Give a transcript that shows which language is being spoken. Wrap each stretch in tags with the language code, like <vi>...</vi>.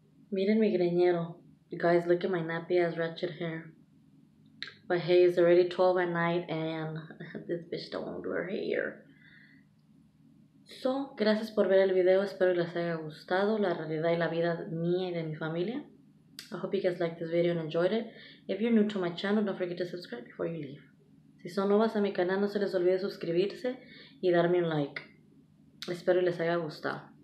<es>Miren mi greñero.</es> <en>You guys, look at my nappy ass ratchet hair. But hey, it's already 12 at night and this bitch don't want to do her hair.</en> <es>So, gracias por ver el video. Espero que les haya gustado la realidad y la vida mía y de mi familia.</es> <en>I hope you guys liked this video and enjoyed it. If you're new to my channel, don't forget to subscribe before you leave.</en> <es>Si son nuevas a mi canal, no se les olvide suscribirse y darme un like. Espero que les haya gustado.</es>